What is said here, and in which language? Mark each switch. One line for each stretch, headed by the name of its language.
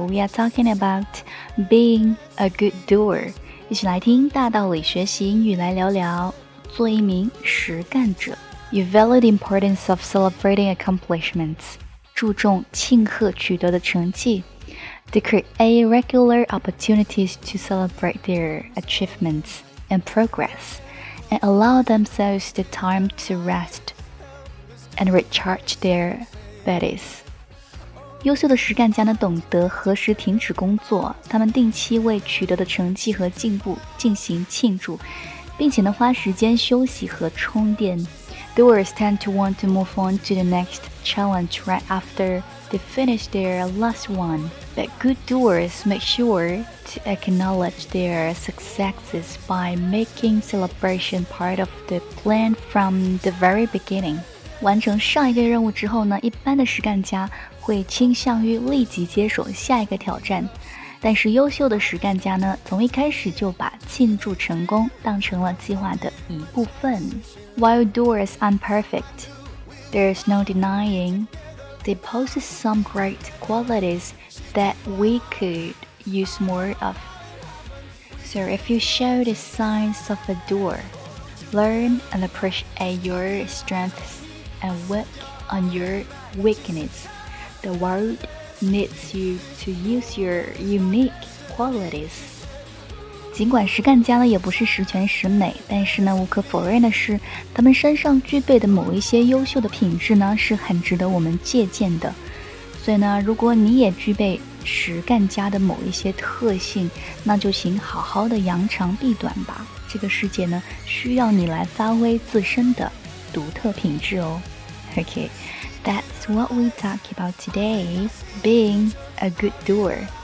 English: We are talking about being a good doer.
Chinese: 一起来听大道理学习英语来聊聊做一名实干者。
English: You value the importance of celebrating accomplishments.
Chinese: 注重庆贺取得的成绩。
English: They create regular opportunities to celebrate their achievements and progress and allow themselves the time to rest and recharge their batteries.
Chinese: 优秀的实干家呢懂得何时停止工作，他们定期为取得的成绩和进步进行庆祝，并且呢花时间休息和充电。
English: Doers tend to want to move on to the next challenge right after they finish their last one. But good doers make sure to acknowledge their successes by making celebration part of the plan from the very beginning.
Chinese: 完成上一个任务之后呢，一般的实干家会倾向于立即接手下一个挑战。但是优秀的实干家呢，从一开始就把庆祝成功当成了计划的一部分。
English: While doers are perfect, there is no denying they possess some great qualities that we could use more of. So if you show the signs of a doer, learn and appreciate your strengths and work on your weakness. The worldneeds you to use your unique qualities.
Chinese: 尽管实干家呢也不是十全十美，但是呢无可否认的是，他们身上具备的某一些优秀的品质呢是很值得我们借鉴的。所以呢，如果你也具备实干家的某一些特性，那就请好好的扬长避短吧。这个世界呢需要你来发挥自身的独特品质哦。
English: Okay. That's what we talk about today, being a good doer.